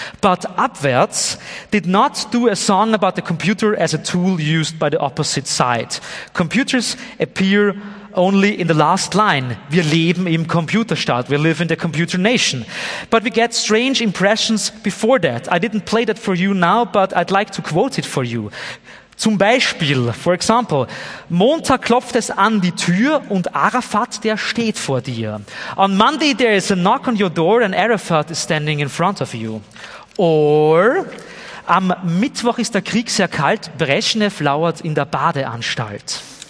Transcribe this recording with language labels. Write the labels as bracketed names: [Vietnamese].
[English] But Abwärts did not do a song about the computer as a tool used by the opposite side. Computers appear only in the last line. [German] Wir leben im Computerstaat. [English] We live in the computer nation. But we get strange impressions before that. I didn't play that for you now, but I'd like to quote it for you. [German] Zum Beispiel, [English] for example, [German] Montag klopft es an die Tür und Arafat, der steht vor dir. [English] On Monday, there is a knock on your door and Arafat is standing in front of you. Or, [German] am Mittwoch ist der Krieg sehr kalt, Brezhnev lauert in der Badeanstalt.